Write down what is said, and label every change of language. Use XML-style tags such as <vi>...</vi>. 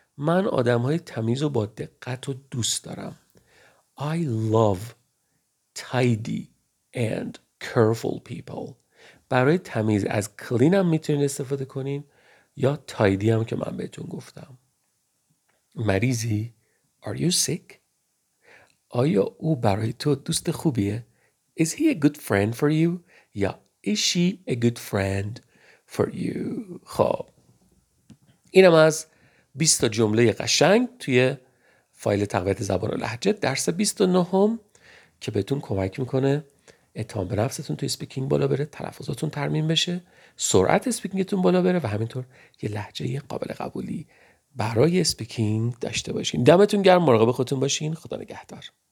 <fa>من آدمهای تمیز و با دقت و دوست دارم.</fa> <en>I love tidy and careful people.</en> <fa>برای تمیز از clean هم میتونید استفاده کنین. یا تایدی هم که من بهتون گفتم. مریضی؟</fa> <en>Are you sick?</en> <fa>آیا او برای تو دوست خوبیه؟</fa> <en>Is he a good friend for you?</en> <fa>یا</fa> <en>Is she a good friend for you?</en> <fa>خب اینم از 20 جمله قشنگ توی فایل تقویت زبان و لهجه درس 29 که بهتون کمک میکنه اعتماد به نفستون توی سپیکینگ بالا بره، تلفظاتون ترمیم بشه، سرعت اسپیکینگتون بالا بره و همینطور یه لهجه قابل قبولی برای اسپیکینگ داشته باشین. دمتون گرم، مراقب خودتون باشین. خدا نگهدار.</fa>